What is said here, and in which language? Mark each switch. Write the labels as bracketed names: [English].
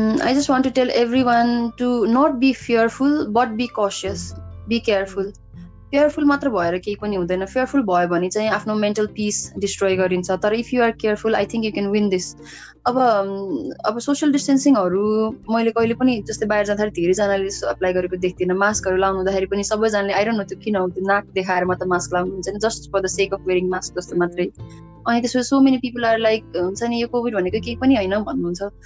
[English] I just want to tell everyone to not be fearful but be cautious, be careful. [Nepali] Fearful मात्र भएर केही पनि हुँदैन. Fearful भयो भने चाहिँ आफ्नो मेन्टल पिस डिस्ट्रोय गरिन्छ. तर [English] If you are careful, I think you can win this. [Nepali] अब सोसियल डिस्टेन्सिङहरू मैले कहिले पनि जस्तै बाहिर जाँदाखेरि धेरैजनाले अप्लाई गरेको देख्दिनँ. मास्कहरू लाउनुहुँदाखेरि पनि सबैजनाले आइरहनु हुन्थ्यो, किन हुन्थ्यो, नाक देखाएर मात्र मास्क लाउनु हुन्छ नि, [English] just for the sake of wearing mask [Nepali] जस्तो मात्रै. अनि त्यसपछि [English] so many people are like [Nepali] हुन्छ नि यो कोभिड भनेको केही पनि होइन भन्नुहुन्छ.